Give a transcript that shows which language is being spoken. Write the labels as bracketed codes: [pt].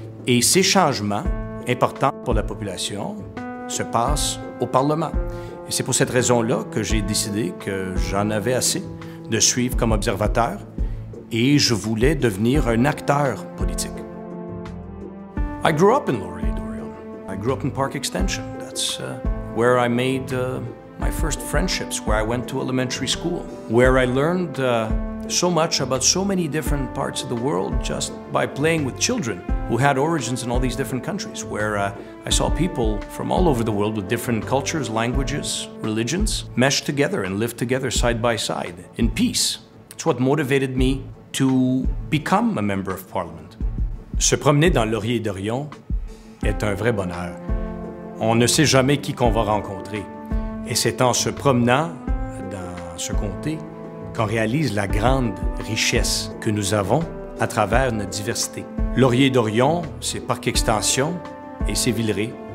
[fr] Et ces changements importants pour la population se passent au Parlement. Et c'est pour cette raison-là que j'ai décidé que j'en avais assez de suivre comme observateur et je voulais devenir un acteur politique. [en] I grew up in Laurier, Dorion. I grew up in Park Extension. That's where I made my first friendships, where I went to elementary school, where I learned so much about so many different parts of the world just by playing with children who had origins in all these different countries, where I saw people from all over the world with different cultures, languages, religions, mesh together and live together side by side in peace. It's what motivated me to become a member of Parliament. [fr] Se promener dans Laurier-Dorion est un vrai bonheur. On ne sait jamais qui qu'on va rencontrer. Et c'est en se promenant dans ce comté qu'on réalise la grande richesse que nous avons à travers notre diversité. Laurier-Dorion, c'est Parc Extension et c'est Villeray.